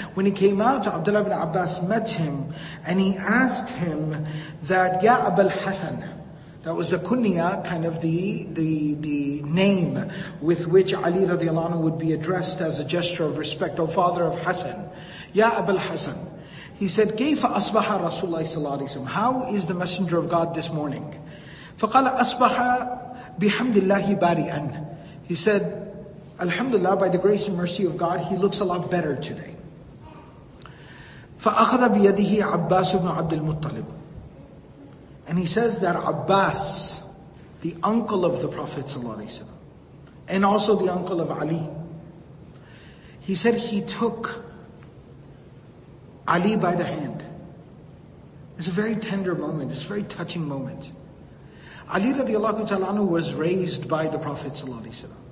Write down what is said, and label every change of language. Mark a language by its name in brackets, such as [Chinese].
[English] When he came out, Abdullah bin Abbas met him and he asked him that, Ya Aba al-Hasan, that was the kunya, kind of the name with which Ali radiallahu anhu would be addressed as a gesture of respect, O father of Hassan, Ya Aba al-Hasan. He said, [Arabic] كيف أصبح رسول الله صلى الله عليه وسلم? [English] How is the messenger of God this morning? [Arabic] فقال أصبح بحمد الله بارئاً. [English] He said, Alhamdulillah, by the grace and mercy of God, he looks a lot better today. [Arabic] فأخذ بيده عباس بن عبد المطلب. [English] And he says that Abbas, the uncle of the Prophet ﷺ, and also the uncle of Ali, he said he took Ali by the hand. It's a very tender moment, it's a very touching moment. Ali radiallahu ta'ala anhu was raised by the Prophet ﷺ.